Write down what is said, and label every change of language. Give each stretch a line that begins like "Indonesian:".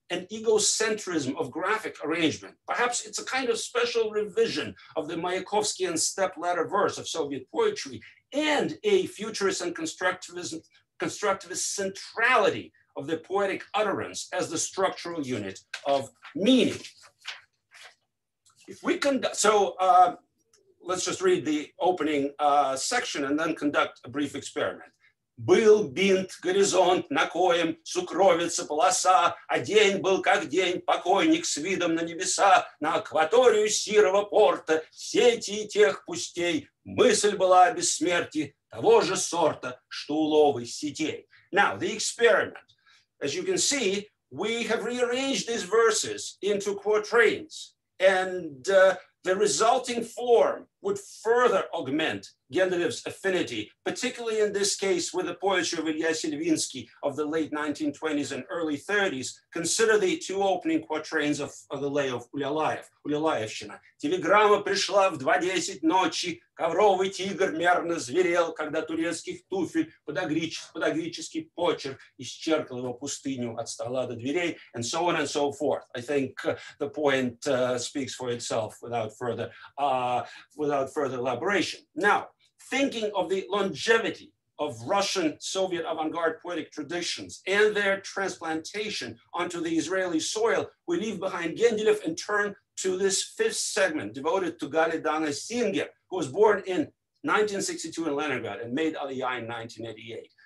English: an egocentrism of graphic arrangement. Perhaps it's a kind of special revision of the Mayakovskian stepladder verse of Soviet poetry and a futurist and constructivist centrality of the poetic utterance as the structural unit of meaning. Let's just read the opening section and then conduct a brief experiment.
Russian: Был бинт, горизонт, на коем сукровица полоса, а день был как день, покойник с видом на небеса, на акваторию сирого порта, сети и тех пустей, мысль была о бессмертии того же сорта, что уловы сетей.
English: Now, the experiment. As you can see, we have rearranged these verses into quatrains, and the resulting form would further augment Gendelev's affinity, particularly in this case with the poetry of Ilya Silvinsky of the late 1920s and early 30s. Consider the two opening quatrains of the lay of Ulyalayevshchina.
Russian: Телеграмма пришла в 2:10 ночи, ковровый тигр мерно зверел, когда турецких туфель подогрический почерк исчеркал его пустыню от стола до дверей,
English: and so on and so forth. I think the point speaks for itself without further elaboration. Now, thinking of the longevity of Russian Soviet avant-garde poetic traditions and their transplantation onto the Israeli soil, we leave behind Gendelev and turn to this fifth segment devoted to Gali Dana Singer, who was born in 1962 in Leningrad and made Aliyah in 1988.